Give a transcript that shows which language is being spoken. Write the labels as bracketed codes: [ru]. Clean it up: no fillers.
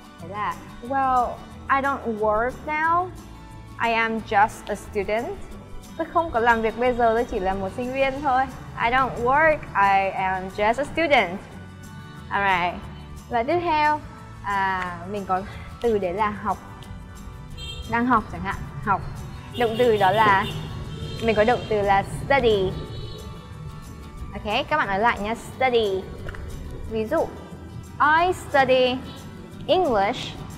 [vi] Đấy là, [en] well, I don't work now, I am just a student. [vi] Tôi không có làm việc bây giờ, tôi chỉ là một sinh viên thôi. [en] I don't work, I am just a student. Alright. [vi] Và tiếp theo, mình có từ đấy là học. Đang học chẳng hạn, học. Động từ đó là, mình có động từ là study. Ok, các bạn nói lại nhé, study. Ví dụ, [en] I study English.